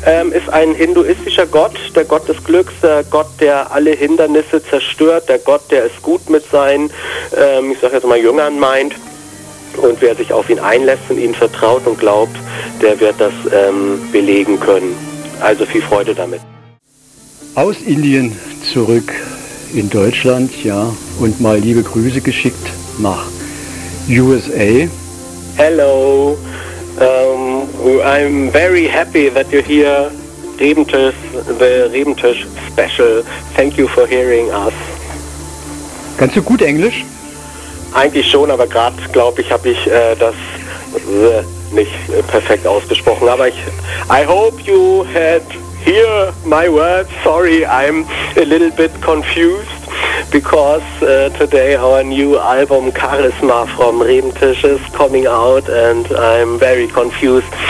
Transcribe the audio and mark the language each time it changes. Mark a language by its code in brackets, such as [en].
[de] Ist ein hinduistischer Gott, der Gott des Glücks, der Gott, der alle Hindernisse zerstört, der Gott, der es gut mit seinen, ich sag jetzt mal, Jüngern meint, und wer sich auf ihn einlässt und ihm vertraut und glaubt, der wird das belegen können. Also viel Freude damit. Aus Indien zurück in Deutschland, ja, und mal liebe Grüße geschickt nach USA. [en] Hello. I'm very happy that you're here, Rebentisch, the Rebentisch Special. Thank you for hearing us. [de] Kannst du gut Englisch? Eigentlich schon, aber gerade, glaube ich, habe ich das nicht perfekt ausgesprochen. [en] Aber I hope you had hear my words. Sorry, I'm a little bit confused, because today our new album Charisma from Rebentisch is coming out, and I'm very confused.